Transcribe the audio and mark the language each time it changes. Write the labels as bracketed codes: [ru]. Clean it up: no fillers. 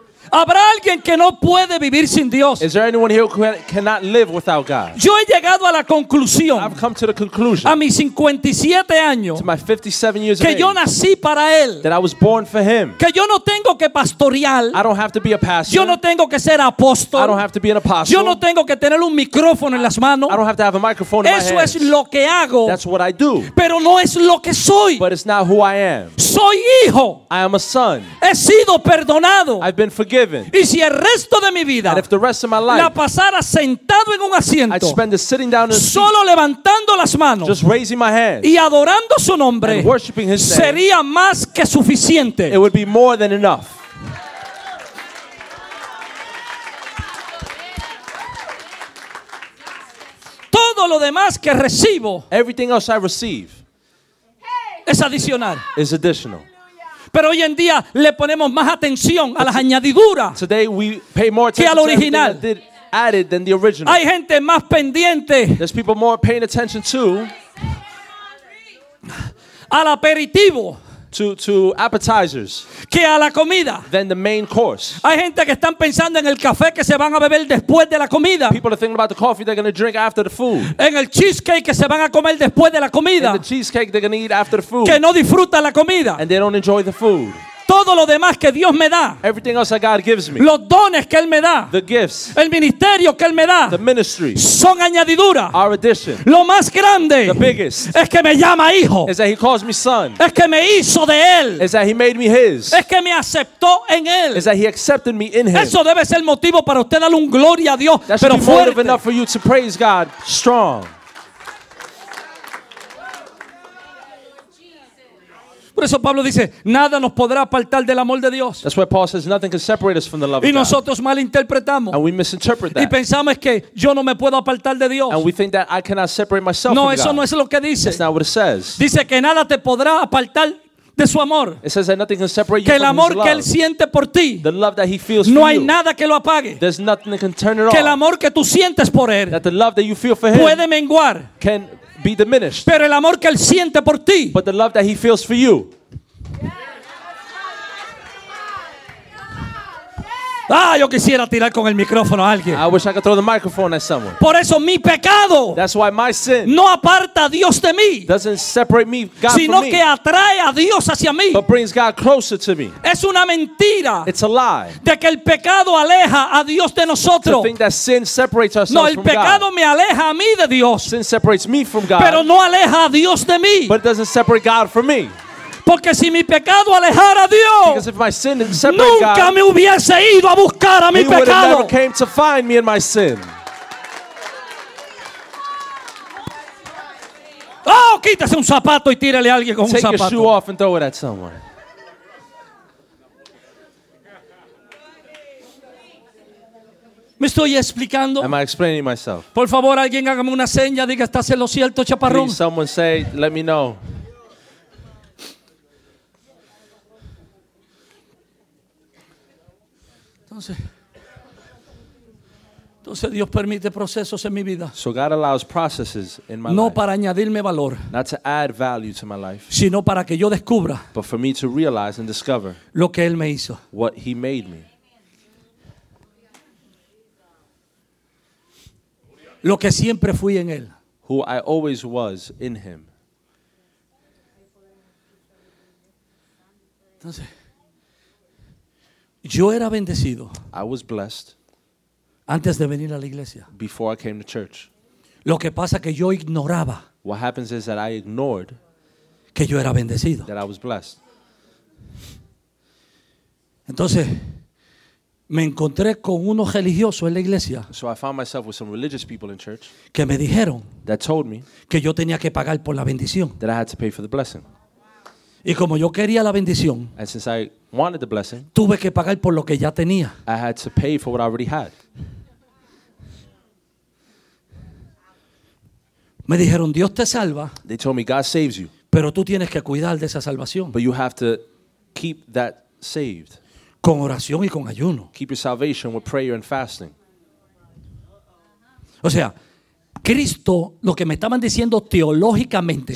[es] ¿Habrá alguien que no puede vivir sin Dios? [en] Is there anyone here who cannot live without God? [es] Yo he llegado a la conclusión. [en] I've come to the conclusion. [es] A mis 57 años. [en] To my 57 years of age. [es] Que yo nací para él. [en] That I was born for him. [es] Que yo no tengo que pastorear. [en] I don't have to be a pastor. [es] Yo no tengo que ser apóstol. [en] I don't have to be an apostle. [es] Yo no tengo que tener un micrófono en las manos. [en] I don't have to have a microphone in my hands. [es] Eso es lo que hago. [en] That's what I do. [es] Pero no es lo que soy. [en] But it's not who I am. [es] Soy hijo. [en] I am a son. [es] He sido perdonado. [en] I've been forgiven. [es] Y si el resto de mi vida la pasara sentado en un asiento, [en] I'd spend it sitting down in a seat, [es] solo levantando las manos, [en] just raising my hands, [es] y adorando su nombre, [en] and worshiping his name, [es] sería más que suficiente. [en] It would be more than enough. [es] Todo lo demás que recibo, [en] everything else I receive, [es] es adicional. [en] Is additional. [es] pero hoy en día le ponemos más atención a las añadiduras [en] today we pay more attention [es] que al original. [en] To everything that did, added than the original. [es] Hay gente más pendiente. [en] There's people more paying attention to [es] al aperitivo. [en] To appetizers. [es] Que a la comida. [en] Than the main course. [es] Hay gente que están pensando en el café que se van a beber después de la comida. [en] People are thinking about the coffee they're going to drink after the food. [es] En el cheesecake que se van a comer después de la comida. [en] In the cheesecake they're going to eat after the food. [es] Que no disfrutan la comida. [en] And they don't enjoy the food. [es] Todo lo demás que Dios me da. [en] Everything else that God gives me. [es] Los dones que Él me da. [en] The gifts. [es] El ministerio que Él me da. [en] The ministry. [es] Son añadiduras. [en] Our addition. [es] Lo más grande. [en] The biggest. [es] Es que me llama hijo. [en] Is that He calls me son. [es] Es que me hizo de Él. [en] Is that He made me His. [es] Es que me aceptó en Él. [en] Is that He accepted me in Him. [es] Eso debe ser motivo para usted darle un gloria a Dios, [en] that [es] pero fuerte. [en] That should be motive enough for you to praise God strong. [es] Por eso Pablo dice, nada nos podrá apartar del amor de Dios. [en] That's why Paul says nothing can separate us from the love of God. [es] Y nosotros malinterpretamos. [en] And we misinterpret that. [es] Y pensamos que yo no me puedo apartar de Dios. [en] And we think that I cannot separate myself [es] no, [en] from God. [es] No, eso no es lo que dice. [en] That's not what it says. [es] Dice que nada te podrá apartar de su amor. [en] It says that nothing can separate you [es] que [en] from [es] el amor [en] his love. [es] Que él siente por ti. [en] The love that he feels [es] no [en] for [es] hay [en] you. [es] Nada que lo apague. [en] There's nothing that can turn it off. [es] Que el amor que tú sientes por él. [en] That the love that you feel for him. [es] Puede menguar. [en] Can be diminished. [es] Pero el amor que él siente por ti. [en] But the love that he feels for you. [es] Ah, yo quisiera tirar con el micrófono a alguien. [en] I wish I could throw the microphone at someone. [es] Por eso mi pecado. [en] That's why my sin. [es] No aparta a Dios de mí. [en] Doesn't separate me God from me. [es] Sino que atrae a Dios hacia mí. [en] But brings God closer to me. [es] Es una mentira. [en] It's a lie. [es] De que el pecado aleja a Dios de nosotros. [en] To think that sin separates ourselves from God. [es] No, el pecado me aleja a mí de Dios. [en] Sin separates me from God. [es] Pero no aleja a Dios de mí. [en] But it doesn't separate God from me. [es] Porque si mi pecado alejara a Dios, [en] because if my sin didn't separate [es] nunca [en] God, [es] me hubiese ido a buscar a mi pecado. [en] Would have never came to find me in my sin. [es] Oh, quítese un zapato y tírale a alguien con [en] take [es] un zapato. [en] Take your shoe off and throw it at someone. [es] Me estoy explicando. [en] Am I explaining myself? [es] Por favor, alguien hágame una seña, diga estás en lo cierto, chaparrón. [en] Please, someone say, let me know. [es] Entonces Dios permite procesos en mi vida. [en] So God allows processes in my [es] no [en] life. [es] Para añadirme valor. [en] Not to add value to my life. [es] Sino para que yo descubra. [en] But for me to realize and discover. [es] Lo que Él me hizo. [en] What He made me. [es] Lo que siempre fui en Él. [en] Who I always was in Him. [es] Entonces. Yo era bendecido. [en] I was blessed. [es] Antes de venir a la iglesia. [en] Before I came to church. [es] Lo que pasa que yo ignoraba. [en] What happens is that I ignored. [es] Que yo era bendecido. [en] That I was blessed. [es] Entonces, me encontré con unos religiosos en la iglesia. [en] So I found myself with some religious people in church. [es] Que me dijeron. [en] That told me. [es] Que yo tenía que pagar por la bendición. [en] That I had to pay for the blessing. [es] Y como yo quería la bendición, [en] and since I wanted the blessing, [es] tuve que pagar por lo que ya tenía. [en] I had to pay for what I already had. [es] Me dijeron, Dios te salva. [en] They told me, God saves you. [es] Pero tú tienes que cuidar de esa salvación. [en] But you have to keep that saved. [es] Con oración y con ayuno. [en] Keep your salvation with prayer and fasting. [es] O sea, Cristo, lo que me estaban diciendo teológicamente.